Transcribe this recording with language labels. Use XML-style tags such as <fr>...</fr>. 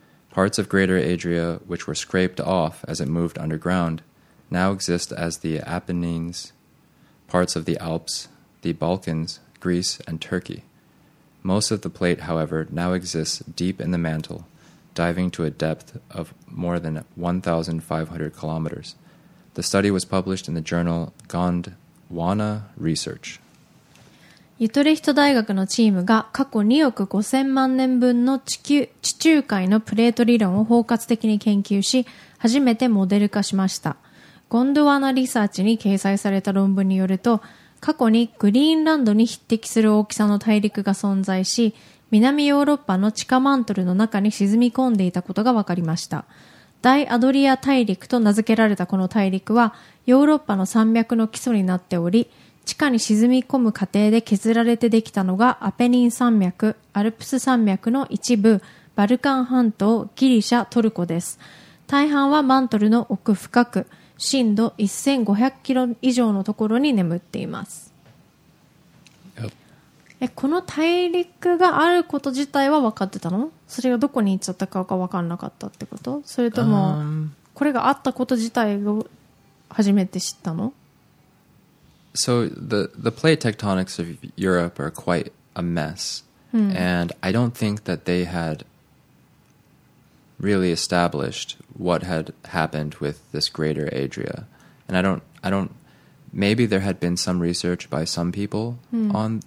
<en>Parts of Greater Adria, which were scraped off as it moved underground, now exist as the Apennines,parts of the Alps, the Balkans, Greece, and Turkey. Most of the plate, however, now exists deep in the mantle, diving to a depth of more than 1,500 kilometers. The study was published in the journal Gondwana Research.</en> <ja>ユトレヒト大学のチームが過去2億5000万年分の地中海のプレート理論を包括的に研究し、初めてモデル化しました。ゴンドワナリサーチに掲載された論文によると、過去にグリーンランドに匹敵する大きさの大陸が存在し、南ヨーロッパの地下マントルの中に沈み込んでいたことが分かりました。大アドリア大陸と名付けられたこの大陸は、ヨーロッパの山脈の基礎になっており、地下に沈み込む過程で削られてできたのがアペニン山脈、アルプス山脈の一部、バルカン半島、ギリシャ、トルコです。大半はマントルの奥深く、深度1500キロ以上のところに眠っています、</ja> <en>yep.</en> <ja>え、この大陸があること自体は分かってたの？それがどこに行っちゃったかが分かんなかったってこと？それともこれがあったこと自体を初めて知ったの？</ja> <en>So the plate tectonics of Europe are quite a mess、うん、and I don't think that they hadreally established what had happened with this Greater Adria. And I don't, maybe there had been some research by some people、mm.</en>